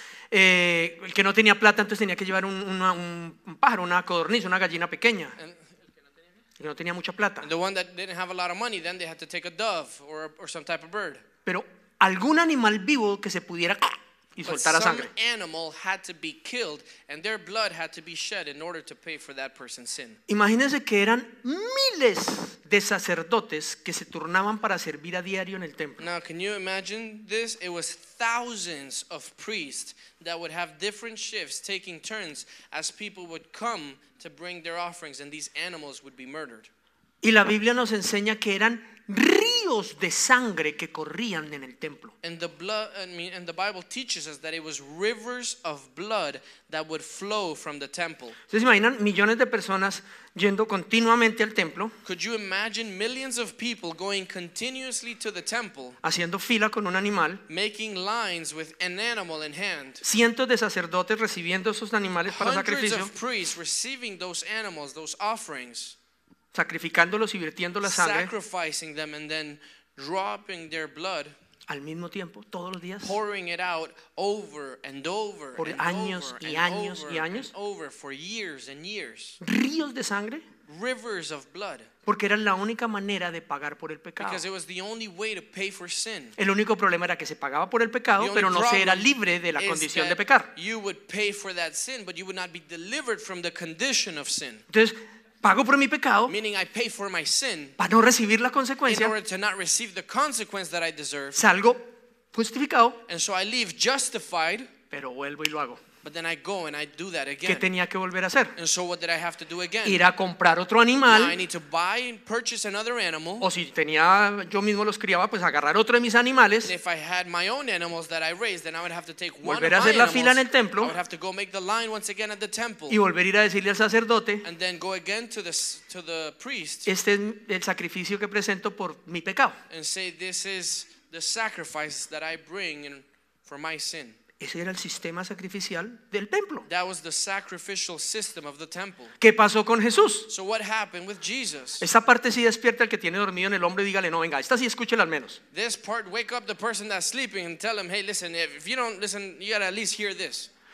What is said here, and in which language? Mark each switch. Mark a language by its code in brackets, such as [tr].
[es] El que no tenía plata, entonces tenía que llevar un pájaro, una codorniz, una gallina pequeña. El que no tenía mucha plata. [en] And the one that didn't have a lot of money, then they had to take a dove or some type of bird. [es] Pero algún animal vivo que se pudiera y soltara sangre. [en] Some animal had to be killed and their blood had to be shed in order to pay for that person's sin. [es] Imagínense que eran miles de sacerdotes que se turnaban para servir a diario en el templo. [en] Now, can you imagine this? It was thousands of priests that would have different shifts taking turns as people would come to bring their offerings and these animals would be murdered. [es] Y la Biblia nos enseña que eran ríos de sangre que corrían en el templo. [en] And the Bible teaches us that it was rivers of blood that would flow from the temple. [es] ¿Se imaginan millones de personas yendo continuamente al templo? [en] Could you imagine millions of people going continuously to the temple? [es] Haciendo fila con un animal. [en] Making lines with an animal in hand. [es] Cientos de sacerdotes recibiendo esos animales para sacrificio. [en] Hundreds of priests receiving those animals, those offerings. [es] Sacrificándolos y vertiendo la sangre. [en] Sacrificing them and then dropping their blood. [es] Al mismo tiempo, todos los días. [en] Pouring it out over and over. [es] Por años y años y años. [en] Over for years and years. [es] Ríos de sangre. [en] Rivers of blood. [es] Porque era la única manera de pagar por el pecado. [en] Because it was the only way to pay for sin. [es] El único problema era que se pagaba por el pecado, pero no se era libre de la condición de pecar. [en] You would pay for that sin, but you would not be delivered from the condition of sin. [es] Entonces, pago por mi pecado, [en] meaning I pay for my sin, [es] para no recibir la consecuencia, [en] in order to not receive the consequence that I deserve. [es] Salgo justificado, [en] and so I leave justified, [es] pero vuelvo y lo hago. [en] But then I go and I do that again. [es] ¿Qué tenía que volver a hacer? [en] And so what did I have to do again? [es] Ir a comprar otro animal. [en] Now I need to buy and purchase another animal. [es] O si tenía yo mismo los criaba, pues agarrar otro de mis animales. [en] And if I had my own animals that I raised, then I would have to take one of my animals. [es] Volver a hacer la fila en el templo. [en] I would have to go make the line once again at the temple. [es] Y volver a ir a decirle al sacerdote. [en] And then go again to the priest. [es] Este es el sacrificio que presento por mi pecado. [en] And say this is the sacrifice that I bring in for my sin. [es] Ese era el sistema sacrificial del templo. [en] That was the sacrificial system of the temple. [es] ¿Qué pasó con Jesús? [en] So what happened with Jesus? [es] Esta parte sí despierta al que tiene dormido en el hombre, dígale no, venga. Esta sí escúchela al menos. [en] This part wake up the person that's sleeping and tell him, hey, listen, if you don't listen, you gotta at least hear this.